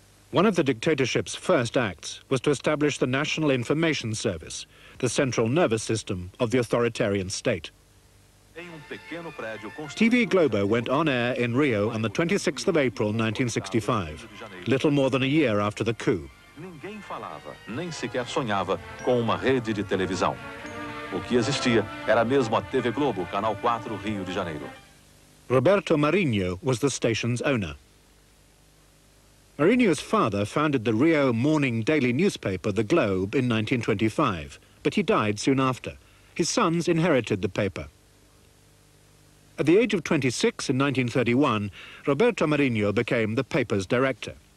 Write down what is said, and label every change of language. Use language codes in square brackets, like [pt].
[en] One of the dictatorship's first acts was to establish the National Information Service, the central nervous system of the authoritarian state. TV Globo went on air in Rio on the 26th of April, 1965, little more than a year after the coup. [pt] Ninguém falava, nem sequer sonhava com uma rede de televisão. O que existia era mesmo a TV Globo, canal 4, Rio de Janeiro. [en] Roberto Marinho was the station's owner. Marinho's father founded the Rio morning daily newspaper, The Globe, in 1925, but he died soon after. His sons inherited the paper. At the age of 26 in 1931, Roberto Marinho became the paper's director.